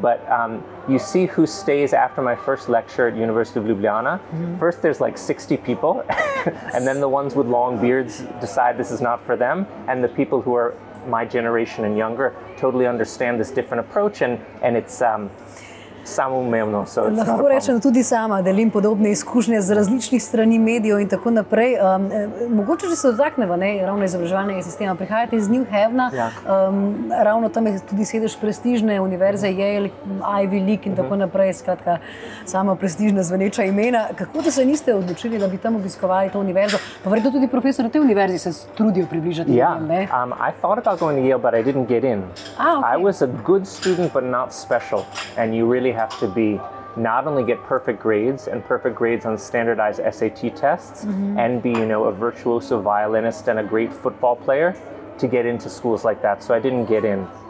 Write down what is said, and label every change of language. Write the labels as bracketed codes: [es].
[en] But you see who stays after my first lecture at University of Ljubljana. Mm-hmm. First, there's like 60 people. And then the ones with long beards decide this is not for them. And the people who are my generation and younger totally understand this different approach. And it's samoumevno. So it's [sl] lahko [en] not [sl] rečem, tudi sama delim podobne izkušnje z različnih strani medijev in tako naprej. Mogoče, če se dotakneva, ne, ravno izobraževalnega sistema, prihajate iz New Haven, ravno tam je tudi sedež prestižne univerze, Yale, Ivy League in tako naprej, skratka, sama prestižna zveneča imena. Kako da se niste odločili, da bi tam obiskovali to univerzo? Pa verjetno tudi profesor na te univerzi se trudijo približati. Ja, yeah. [en] I thought about going to Yale, but I didn't get in. Ah, okay. I was a good student, but not special. And you really have to be not only get perfect grades on standardized SAT tests and be, you know, a virtuoso violinist and a great football player to get into schools like that. So I didn't get in.